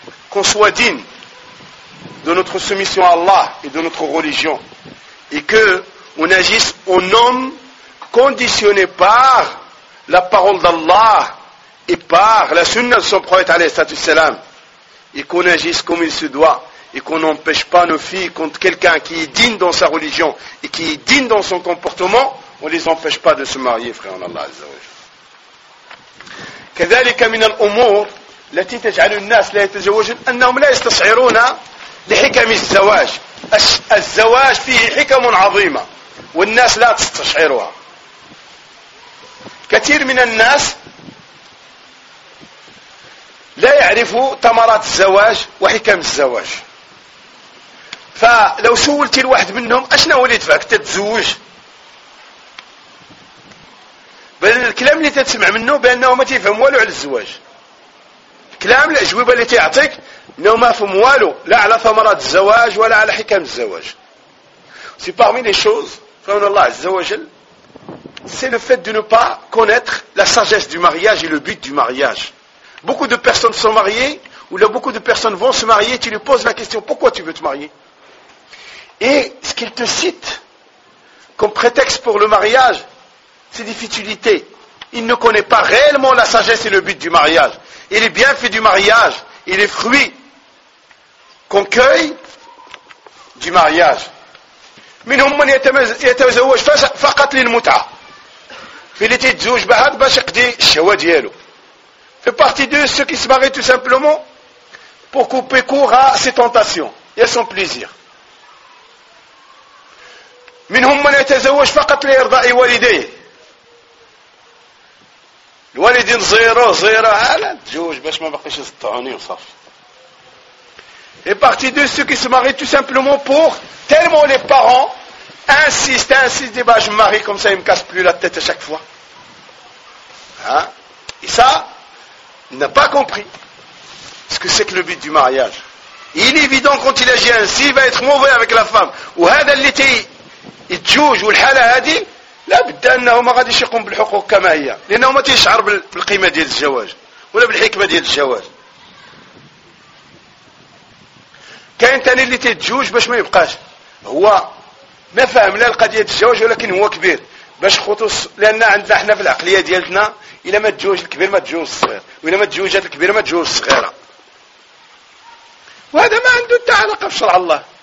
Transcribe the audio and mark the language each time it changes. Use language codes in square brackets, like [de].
[fr] Qu'on soit digne de notre soumission à Allah et de notre religion, et qu'on agisse en homme conditionné par la parole d'Allah et par la sunna de son prophète, alayhi salam, et qu'on agisse comme il se doit, et qu'on n'empêche pas nos filles contre quelqu'un qui est digne dans sa religion et qui est digne dans son comportement, on ne les empêche pas de se marier, frère en Allah, azza wa jalla. [ar] Kadhalika min al-umur lati taj'alu an-nas la yatazawwajun annahum la yastas'iruna لحكم الزواج الزواج فيه حكم عظيمة والناس لا تستشعرها كثير من الناس لا يعرفوا ثمرات الزواج وحكم الزواج فلو سولت الواحد منهم أشنا وليت فاك تتزوج بل الكلام اللي تتسمع منه بأنه ما تفهم ولو على الزواج كلام الأجوبة اللي تعطيك نو ما فهم والو لا على ثمرات الزواج ولا على حكم الزواج سي parmi les choses فهم الله عز وجل [fr] c'est le fait de ne pas connaître la sagesse du mariage et le but du mariage. Beaucoup de personnes sont mariées ou là beaucoup de personnes vont se marier, tu lui poses la question pourquoi tu veux te marier, et ce qu'il te cite comme prétexte pour le mariage, c'est des futilités. Il ne connaît pas réellement la sagesse et le but du mariage et les bienfaits du mariage et les fruits qu'on cueille du mariage. [ar] منهم من يتزوج فقط للمتعة. في اللي تزوج بعد باش يقضي الشهوة ديالو. [fr] Fait partie de ceux qui se marient tout simplement pour couper court à ses tentations et à son plaisir. [ar] منهم من يتزوج فقط لإرضاء والديه. الوالدين زيره على تزوج باش ما بقيش يسطعوني وصافي. [fr] Et partie de ceux qui se marient tout simplement pour, tellement les parents insistent, disent, bah, je me marie comme ça, ils ne me cassent plus la tête à chaque fois. Hein? Et ça, il n'a pas compris ce que c'est que le but du mariage. Il est évident quand il agit ainsi, il va être mauvais avec la femme. [ar] Ou هذا اللي تي يتجوج والحالة هذه لا بد أنه ما غاديش يقوم بالحقوق كما هي. لأنه ما تيشعر بالقيمة ديال الزواج ولا بالحكمة ديال الزواج. كاين تاني اللي تيتزوج باش ما يبقاش، هو ما فاهم لا القضيه ديال الزواج ولكن هو كبير باش خطوص، لان عندنا حنا في العقليه ديالتنا الا ما تزوج الكبير ما تزوج الصغير، والا ما تزوجات الكبيره ما تزوج الصغيره، وهذا ما عنده حتى علاقه بشرع الله.